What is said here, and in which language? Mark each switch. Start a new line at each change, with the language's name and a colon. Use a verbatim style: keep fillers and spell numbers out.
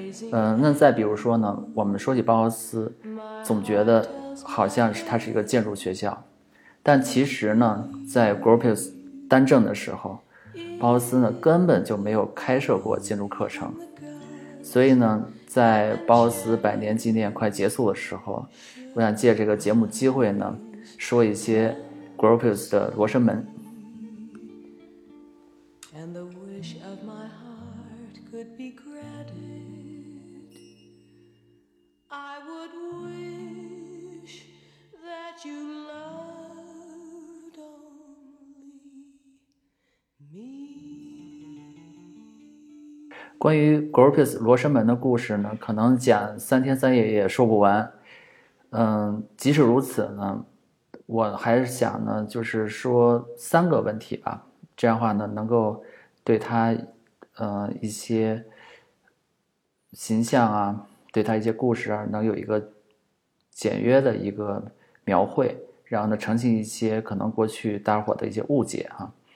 Chinese: 嗯、呃，那再比如说呢，我们说起包豪斯，总觉得好像是它是一个建筑学校，但其实呢，在 Gropius 担政的时候，包豪斯呢根本就没有开设过建筑课程。所以呢，在包豪斯百年纪念快结束的时候，我想借这个节目机会呢，说一些 Gropius 的罗生门。
English: And the wish of my heart could be granted. I would wish that you loved only me.
Chinese: 关于 Gropius 罗生门的故事呢，可能讲三天三夜也说不完。嗯，即使如此呢，我还是想呢，就是说三个问题吧。这样的话呢，能够对他，呃，一些形象啊，对他一些故事啊，能有一个简约的一个描绘，然后呢，澄清一些可能过去大伙的一些误解啊。